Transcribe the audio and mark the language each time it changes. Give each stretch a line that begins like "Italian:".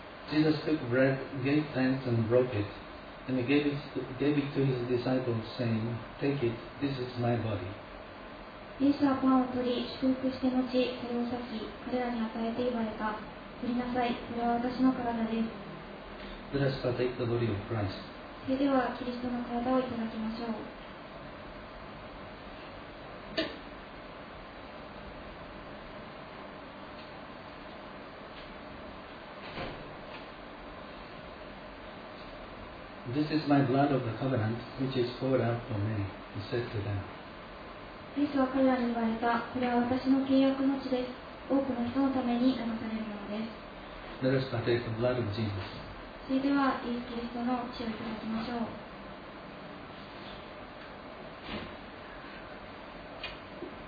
English: Jesus took bread, gave thanks and broke it, and gave it to his disciples, saying, Take it, this is my body.
Japanese: イエスはパンを取り、祝福して後、それを裂き、彼らに与えて言われた。取りなさい、これは私の体です。
English: Let us partake the body of Christ.
Japanese: それでは、キリストの体をいただきましょう。
English: This is my blood of the covenant, which is poured out for many, he said to them.
Japanese: イエスは彼らに言われた、これは私の契約の血です。多くの人のために流されるものです。
English: Let us partake the blood of Jesus.
Japanese: それでは、イエス・キリストの血をいただきましょう。